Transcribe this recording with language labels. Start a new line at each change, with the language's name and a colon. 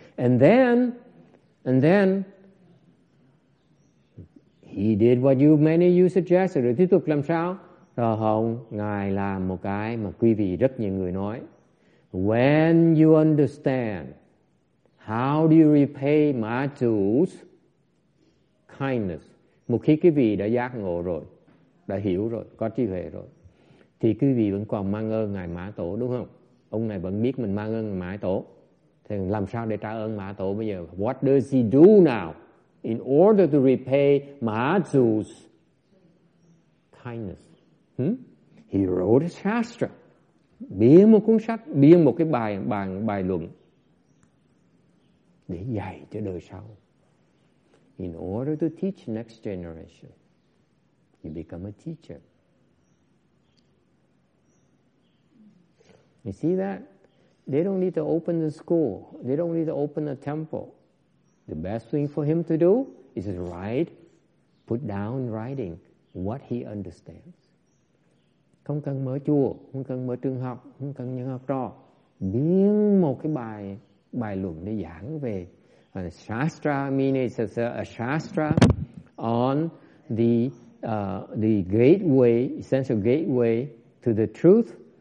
English: And then he did what many of you suggested.
Vietnamese: Rồi tiếp tục làm sao? Rồi không, ngài làm một cái mà quý vị rất nhiều người nói.
English: When you understand, how do you repay my tools? Kindness.
Vietnamese: Một khi quý vị đã giác ngộ rồi, đã hiểu rồi, có trí huệ rồi, thì quý vị vẫn còn mang ơn ngài Mã Tổ, đúng không? Ông này vẫn biết mình mang ơn ngài Mã Tổ. Thì làm sao để trả ơn Mã Tổ bây giờ?
English: What does he do now in order to repay Mã Tổ's kindness? He wrote a shastra.
Vietnamese: Biên một cuốn sách, biên một cái bài luận để dạy cho đời sau.
English: In order to teach next generation, you become a teacher. You see that? They don't need to open the school. They don't need to open a temple. The best thing for him to do is write, put down writing what he understands.
Vietnamese: Không cần mở chùa, không cần mở trường học, không cần những học trò. Biến một cái bài luận để giảng về shastra,
English: meaning it's a shastra on the gateway, essential gateway to the truth.